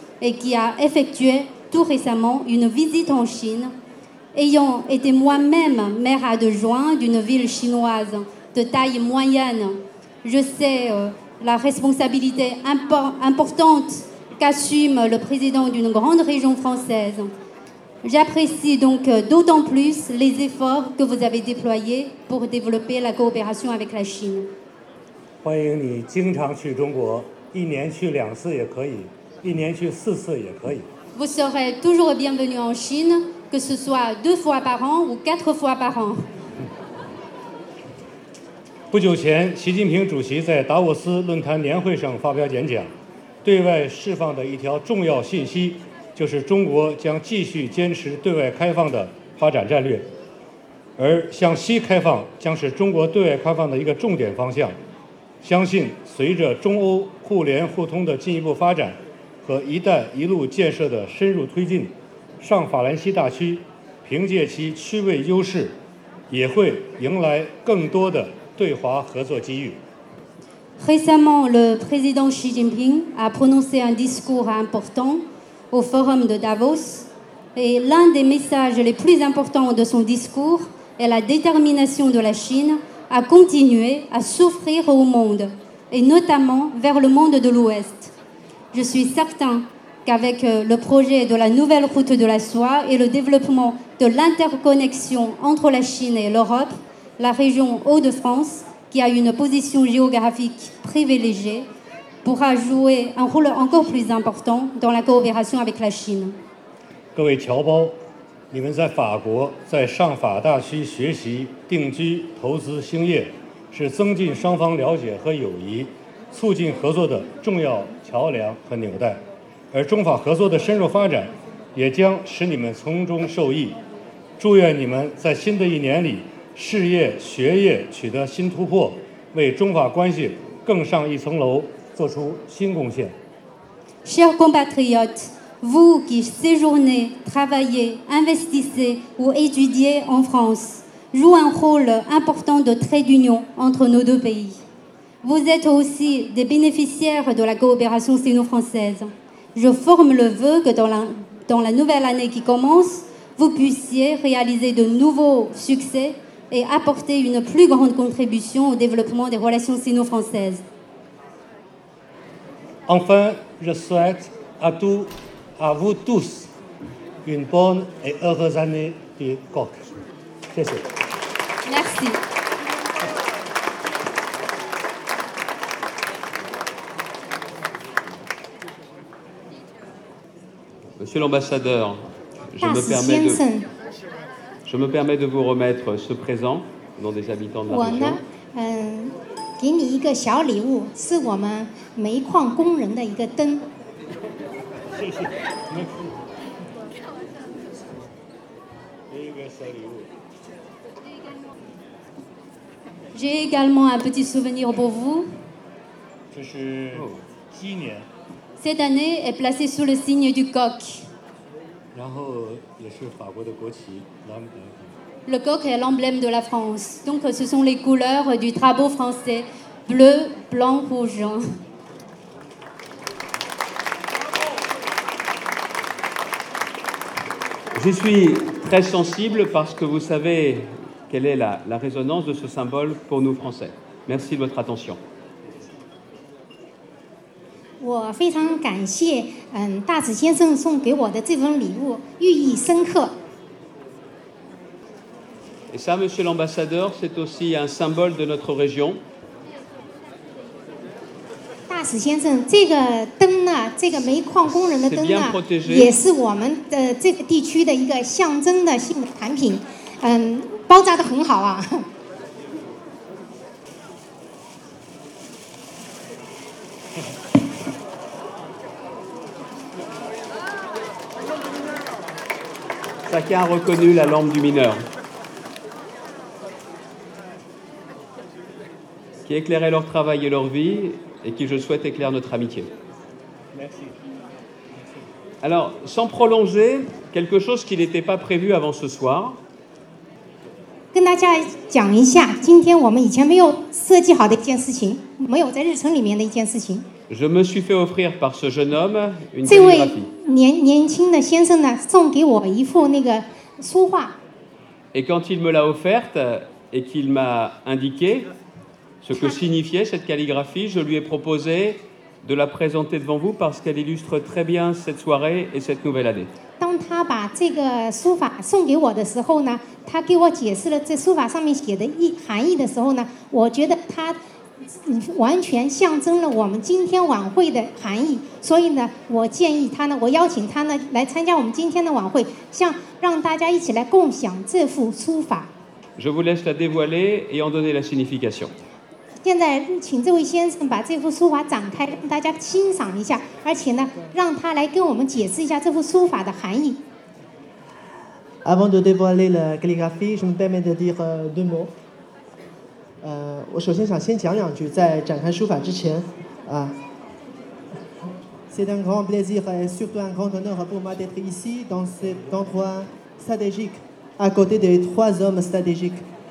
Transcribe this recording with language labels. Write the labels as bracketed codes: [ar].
[fr] Et qui a effectué tout récemment une visite en Chine, ayant été moi-même maire adjoint d'une ville chinoise de taille moyenne. Je sais la responsabilité importante qu'assume le président d'une grande région française. J'apprécie donc d'autant plus les efforts que vous avez déployés pour développer la coopération avec la Chine. [zh] 欢迎你经常去中国，一年去两次也可以，一年去四次也可以。 [fr] Vous serez toujours bienvenue en Chine, que ce soit deux fois par an ou quatre fois par an. [zh] 不久前，习近平主席在达沃斯论坛年会上发表演讲，对外释放的一条重要信息，就是中国将继续坚持对外开放的发展战略，而向西开放将是中国对外开放的一个重点方向。相信随着中欧互联互通的进一步发展和一带一路建设的深入推进，上法兰西大区凭借其区位优势也会迎来更多的对华合作机遇。 [fr] Récemment, le président Xi Jinping a prononcé un discours important au forum de Davos, et l'un des messages les plus importants de son discours est la détermination de la Chine à continuer à s'offrir au monde, et notamment vers le monde de l'Ouest. Je suis certain qu'avec le projet de la nouvelle route de la soie et le développement de l'interconnexion entre la Chine et l'Europe,la région Hauts-de-France, qui a une position géographique privilégiée, pourra jouer un rôle encore plus important dans la coopération avec la Chine. [zh] 各位侨胞，你们在法国在上法大区学习、定居、投资、兴业，是增进双方了解和友谊、促进合作的重要桥梁和纽带。而中法合作的深入发展，也将使你们从中受益。祝愿你们在新的一年里事业、学业取得新突破，为中法关系更上一层楼做出新贡献。 [fr] Chers compatriotes, vous qui séjournez, travaillez, investissez ou étudiez en France, jouez un rôle important de trait d'union entre nos deux pays. Vous êtes aussi des bénéficiaires de la coopération sino-française. Je forme le vœu que dans la nouvelle année qui commence, vous puissiez réaliser de nouveaux succès. Et apporter une plus grande contribution au développement des relations sino-françaises. Enfin, je souhaite à vous tous une bonne et heureuse année du coq. Merci. Merci. Monsieur l'ambassadeur, je me permets de. Je me permets de vous remettre ce présent au nom des habitants de la région. [zh] 我呢，给你一个小礼物，是我们煤矿工人的一个灯。 [fr] J'ai également un petit souvenir pour vous. [zh] 这是鸡年。 [fr] Cette année est placée sous le signe du coq. [zh] 然后也是法国的国旗 [fr] Le coq est l'emblème de la France. Donc ce sont les couleurs du drapeau français bleu, blanc, rouge. Je suis très sensible parce que vous savez quelle est la résonance de ce symbole pour nous Français. Merci de votre attention. [zh] 我非常感谢，大子先生送给我的这份礼物，寓意深刻。 [fr] Et ça, monsieur l'ambassadeur, c'est aussi un symbole de notre région. [zh] 大子先生，这个灯呢，这个煤矿工人的灯呢，也是我们的这个地区的一个象征的性产品，包扎得很好啊。 [fr] Chacun a reconnu la lampe du mineur qui éclairait leur travail et leur vie et qui, je souhaite, éclaire notre amitié. Merci. Alors, sans prolonger quelque chose qui n'était pas prévu avant ce soir, [zh] 跟大家讲一下，今天我们以前没有设计好的一件事情，没有在日程里面的一件事情。 [fr] Je me suis fait offrir par ce jeune homme une calligraphie. [zh] 这位年轻的先生呢，送给我一幅那个书画。 [fr] Et quand il me l'a offerte et qu'il m'a indiqué ce que signifiait cette calligraphie, je lui ai proposé de la présenter devant vous parce qu'elle illustre très bien cette soirée et cette nouvelle année. [zh] 当他把这个书法送给我的时候呢，他给我解释了这书法上面写的含义的时候呢，我觉得他完全象征了我们今天晚会的含义，所以呢，我建议他呢，我邀请他呢来参加我们今天的晚会，像让大家一起来共享这幅书法。 [fr] Je vous laisse la dévoiler et en donner la signification. [zh] 现在请这位先生把这幅书法展开，让大家欣赏一下，而且呢，让他来跟我们解释一下这幅书法的含义。 [fr] Avant de dévoiler la calligraphie, je me permets de dire deux mots. [zh] 我首先想先讲两句，在展开书法之前，啊 [fr] ，C'est un grand plaisir et surtout un grand honneur pour moi d'être ici dans cet endroit stratégique, à côté des trois hommes stratégiques.